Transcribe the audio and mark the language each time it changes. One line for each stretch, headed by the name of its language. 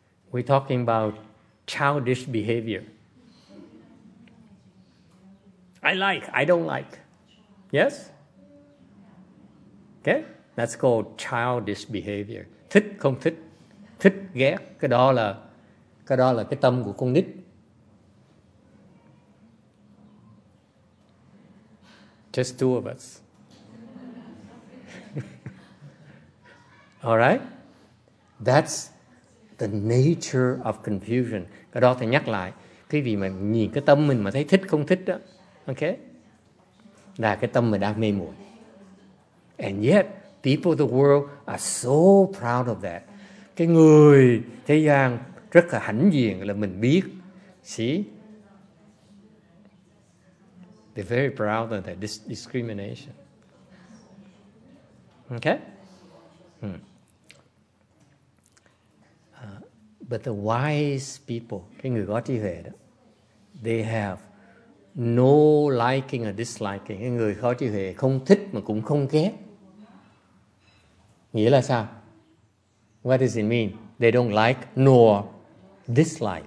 English: We're talking about childish behavior. I like, I don't like. Yes? Okay? That's called childish behavior.
Vietnamese: Thích, không thích. Thích, ghét. Cái đó là cái tâm của con nít.
English: Just 2 of us. All right? That's the nature of confusion.
Vietnamese: Cái đó thì nhắc lại. quý vị mà nhìn cái tâm mình mà thấy thích không thích đó, ok, là cái tâm mình đang mê muội.
English: And yet people of the world are so proud of that.
Vietnamese: Cái người thế gian rất là hãnh diện là mình biết.
English: See? They're very proud of that discrimination. Okay? But the wise people,
Vietnamese: cái người có trí huệ đó,
English: they have no liking or disliking.
Vietnamese: Cái người có trí huệ không thích mà cũng không ghét. Nghĩa là sao?
English: What does it mean? They don't like nor dislike.